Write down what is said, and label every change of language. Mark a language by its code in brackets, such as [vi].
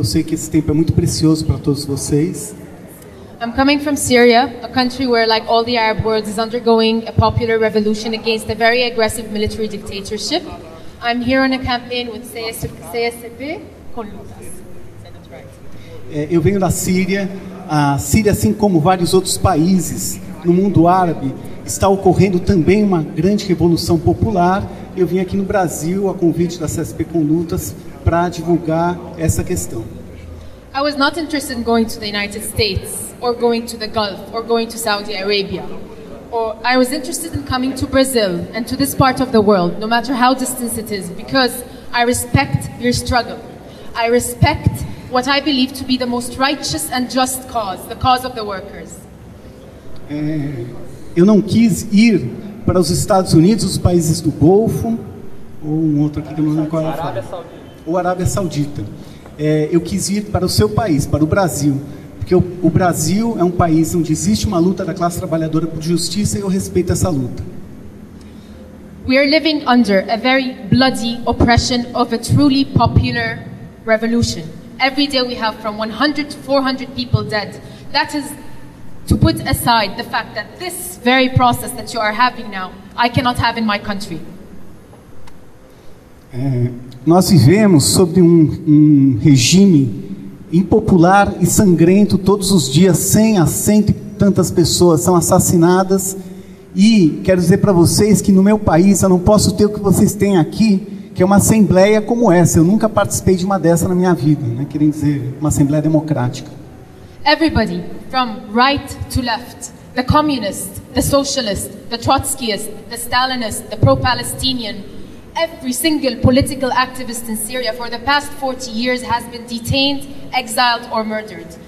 [pt] Eu sei que esse tempo é muito precioso para todos vocês. [en] I'm coming from Syria, a country where, like all the Arab world, is undergoing a popular revolution against a very aggressive military dictatorship. I'm here on a campaign with CSP com Lutas. [pt] Eu venho da Síria. A Síria, assim como vários outros países no mundo árabe, está ocorrendo também uma grande revolução popular. Eu vim aqui no Brasil a convite da CSP com Lutas para divulgar essa questão. [en] I was not interested in going to the United States or going to the Gulf or going to Saudi Arabia. Or I was interested in coming to Brazil and to this part of the world, no matter how distant it is, because I respect your struggle. I respect what I believe to be the most righteous and just cause, the cause of the workers. [pt] Eu não quis ir para os Estados Unidos, os países do Golfo, ou um outro aqui que eu não lembro qual é. Ou Arábia Saudita. Eu quis ir para o seu país, para o Brasil, porque o Brasil é um país onde existe uma luta da classe trabalhadora por justiça e eu respeito essa luta. [en] We are living under a very bloody oppression of a truly popular revolution. Every day we have from 100 to 400 people dead. That is, to put aside the fact that this very process that you are having now, I cannot have in my country. [pt] Nós vivemos sob um regime impopular e sangrento todos os dias. 100 a 100 e tantas pessoas são assassinadas. E quero dizer para vocês que no meu país eu não posso ter o que vocês têm aqui, que é uma assembleia como essa. Eu nunca participei de uma dessa na minha vida, né? Querendo dizer, uma assembleia democrática. [en] Everybody, from right to left, the communist, the socialist, the Trotskyist, the Stalinist, the pro-Palestinian, every single political activist in Syria for the past 40 years has been detained, exiled or murdered.